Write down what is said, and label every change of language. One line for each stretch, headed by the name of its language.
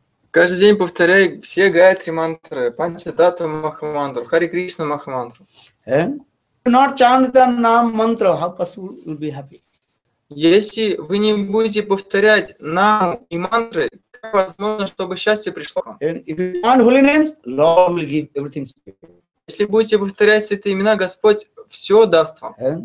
Russian: Каждый день повторяй все Гаятри мантры, Панчататва Махамантру, Хари Кришна Махамантру.
English: And not chant the Нам мантра, how possible will be happy?
Russian: Если вы не будете повторять Нам и мантры, как возможно, чтобы счастье пришло к вам?
English: And if you chant holy names, Lord will give everything to you.
Russian: Если будете повторять святые имена, Господь все даст вам.